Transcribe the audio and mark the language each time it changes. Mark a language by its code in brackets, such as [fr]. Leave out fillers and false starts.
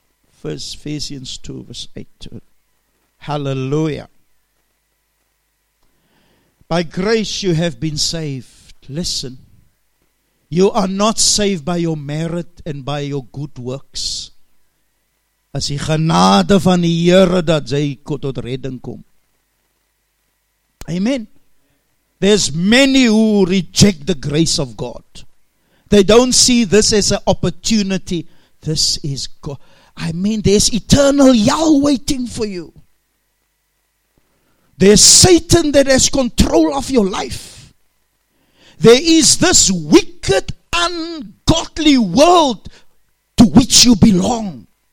[en] First Ephesians 2 verse 8. Hallelujah. By grace you have been saved. Listen. You are not saved by your merit and by your good works. [af] As die genade van die Here dat jy tot redding kom. [en] Amen. There's many who reject the grace of God. They don't see this as an opportunity. This is God. I mean, there's eternal hell waiting for you. There's Satan that has control of your life. There is this wicked, ungodly world to which you belong.